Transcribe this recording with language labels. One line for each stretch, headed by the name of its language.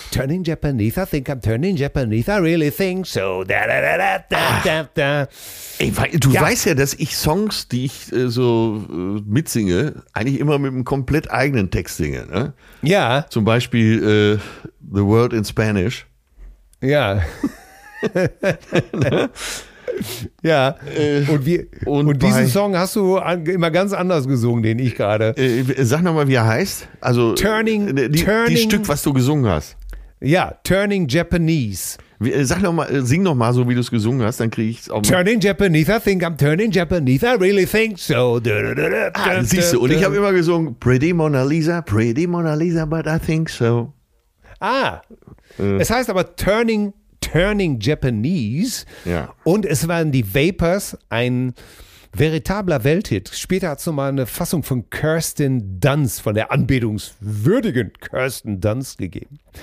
English: Turning Japanese, I think I'm turning Japanese, I really think so. Da, da, da, da, da, da, da.
German: Weißt ja, dass ich Songs, die ich so mitsinge, eigentlich immer mit einem komplett eigenen Text singe. Ne? Ja. Zum Beispiel The World in Spanish. Ja. Ja, und diesen Song hast du immer ganz anders gesungen, den ich gerade. Sag nochmal, wie er heißt. Also,
English: Turning,
German: die Stück, was du gesungen hast. Ja, Turning Japanese. Sing nochmal so, wie du es gesungen hast, dann kriege ich es auch mal.
English: Turning Japanese, I think I'm turning Japanese, I really think so.
German: Siehst du, und ich habe immer gesungen,
English: pretty Mona Lisa, but I think so.
German: Ah, es heißt aber Turning Japanese. Ja. Und es waren die Vapors, ein veritabler Welthit. Später hat es nochmal eine Fassung von Kirsten Dunst, von der anbetungswürdigen Kirsten Dunst gegeben.